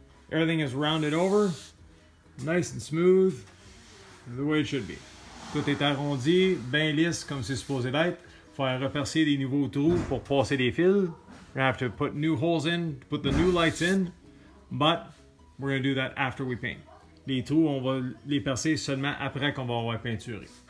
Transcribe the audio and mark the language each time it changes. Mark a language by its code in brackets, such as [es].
[en] Everything is rounded over, nice and smooth, the way it should be. [fr] Tout est arrondi, bien lisse comme c'est supposé d'être. Faire repercer des nouveaux trous pour passer des fils. [en] We're gonna have to put new holes in, put the new lights in, but we're gonna do that after we paint. [fr] Les trous, on va les percer seulement après qu'on va avoir peinturé.